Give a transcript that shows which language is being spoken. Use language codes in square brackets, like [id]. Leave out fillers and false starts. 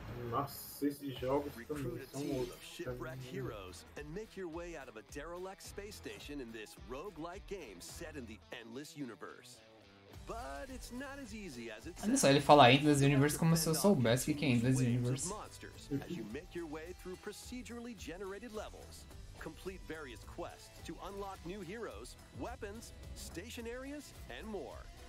[pt] Nossa, esses jogos [en] shipwreck heroes and make your way out of a derelict space station in this roguelike game set in the endless universe. But it's not as easy as it [pt] sounds. Olha só, ele fala Endless Universe como se eu soubesse o que é Endless Universe. [en] As you make your way through procedurally generated levels, complete various quests to unlock new heroes, weapons, station areas, and more.